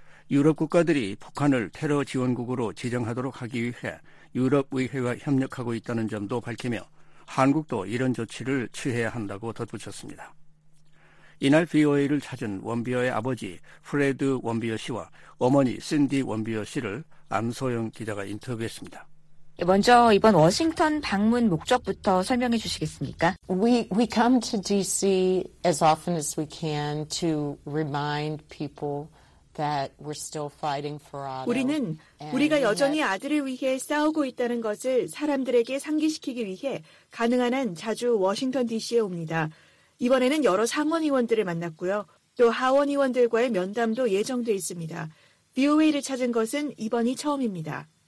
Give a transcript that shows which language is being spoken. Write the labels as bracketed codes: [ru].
[ko] 유럽 국가들이 북한을 테러 지원국으로 지정하도록 하기 위해 유럽의회와 협력하고 있다는 점도 밝히며 한국도 이런 조치를 취해야 한다고 덧붙였습니다. 이날 BOA를 찾은 원비어의 아버지 프레드 원비어 씨와 어머니 신디 원비어 씨를 안소영 기자가 인터뷰했습니다. 먼저 이번 워싱턴 방문 목적부터 설명해 주시겠습니까? [en] We come to DC as often as we can to remind people that we're still fighting for Otto. [ko] 우리는 우리가 여전히 아들을 위해 싸우고 있다는 것을 사람들에게 상기시키기 위해 가능한 한 자주 워싱턴 DC에 옵니다. 이번에는 여러 상원의원들을 만났고요. 또 하원의원들과의 면담도 예정돼 있습니다. BOA를 찾은 것은 이번이 처음입니다.